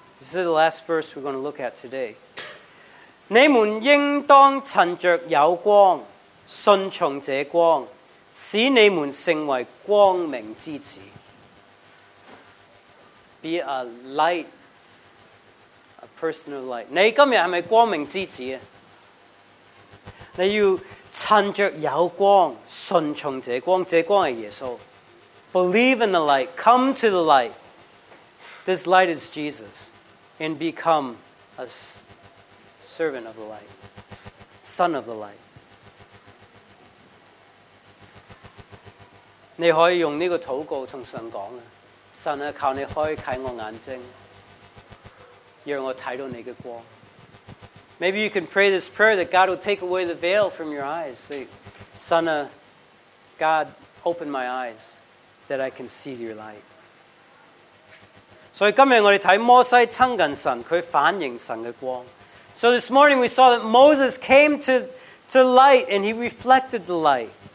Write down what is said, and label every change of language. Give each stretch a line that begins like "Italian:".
English: This is the last verse we're going to look at today.
Cantonese: 你们应当趁着有光，顺从这光，使你们成为光明之子。
English: Be a light, a person of light.
Cantonese: 你今日系咪光明之子啊？你要趁着有光，顺从这光，这光系耶稣。
English: Believe in the light, come to the light. This light is Jesus, and become a servant of the light, son of the light.
Cantonese: 你可以用呢个祷告同神讲啊，神啊，求你开启我眼睛，让我睇到你嘅光。
English: Maybe you can pray this prayer that God will take away the veil from your eyes. Say, Son, God, open my eyes that I can see your light. So today we see Moses meet God, he reflects God's light. So this morning we saw that Moses came to light and he reflected the light.